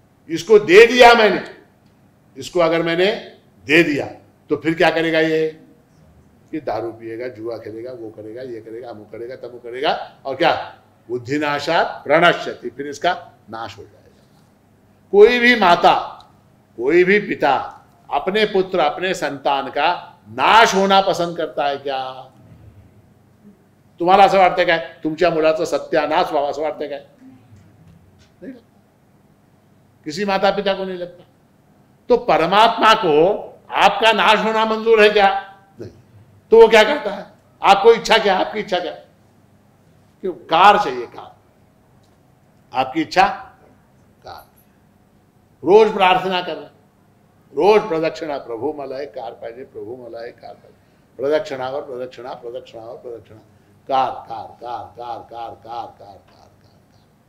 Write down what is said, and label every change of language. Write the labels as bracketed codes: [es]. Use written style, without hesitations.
[hi] इसको दे दिया मैंने, इसको अगर मैंने दे दिया तो फिर क्या करेगा ये, कि दारू पिएगा, जुआ खेलेगा, वो करेगा, ये करेगा, वो करेगा, तब वो करेगा, और क्या, [sa] बुद्धि नाशात प्रणश्यति, [hi] फिर इसका नाश हो जाएगा। कोई भी माता, कोई भी पिता अपने पुत्र, अपने संतान का नाश होना पसंद करता है क्या? [mr] तुम्हारा असं वाटतं काय, तुमच्या मुलाचं सत्यानाश व्हावा असं वाटतं काय? [hi] किसी माता पिता को नहीं लगता। तो परमात्मा को आपका नाश होना मंजूर है क्या? नहीं। तो वो क्या करता है, आपको इच्छा क्या, आपकी इच्छा क्या, क्यों कार चाहिए, कार आपकी इच्छा, रोज प्रार्थना कर रहे, रोज प्रदक्षिणा, [mr] प्रभु मलाय कार पाहिजे, प्रभु मलाय कार पाहिजे, प्रदक्षिणावर प्रदक्षिणा, [hi] प्रदक्षिणावर प्रदक्षिणा, car car car car car car car car car car,